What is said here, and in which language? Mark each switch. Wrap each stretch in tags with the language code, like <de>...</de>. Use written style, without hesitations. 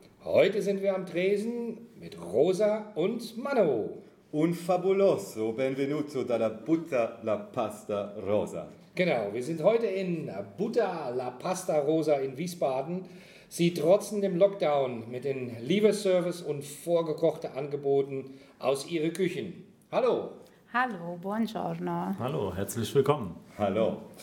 <de>Heute sind wir am Tresen mit Rosa und Manu.</de> <it>Un fabuloso benvenuto dalla Butta la Pasta Rosa.</it> <de>Genau, wir sind heute in Butta la Pasta Rosa in Wiesbaden. Sie trotzen dem Lockdown mit den Lieferservice und vorgekochte Angeboten aus ihre Küchen. Hallo. Hallo, buongiorno. Hallo, herzlich willkommen. Hallo.</de>